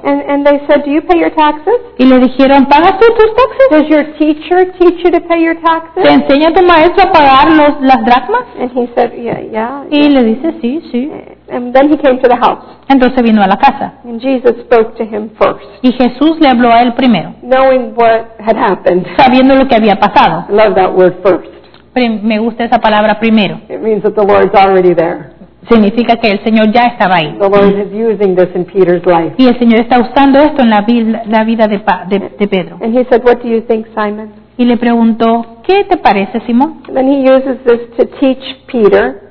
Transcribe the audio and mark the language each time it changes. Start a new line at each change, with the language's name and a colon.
English: And they said, "Do you pay your taxes?"
Spanish: Y le dijeron, ¿pagas tú tus taxes?
English: Does your teacher teach you to pay your taxes?
Spanish: ¿Te enseña tu maestro a pagar las dracmas?
English: And he said, yeah.
Spanish: Y
English: yeah.
Spanish: Le dice, sí, sí.
English: And then he came to the house.
Spanish: Entonces vino a la casa.
English: And Jesus spoke to him first.
Spanish: Y Jesús le habló a él primero.
English: Knowing what had happened.
Spanish: Sabiendo lo que había pasado.
English: I love that word first.
Spanish: Me gusta esa palabra primero.
English: It means that the Lord's already there.
Spanish: Significa que el Señor ya estaba ahí.
English: The Lord is using this in Peter's life.
Spanish: Y el Señor está usando esto en la vida de Pedro.
English: And he said, "What do you think, Simon?"
Spanish: Y le preguntó, ¿qué te parece, Simón?
English: And then he uses this to teach Peter.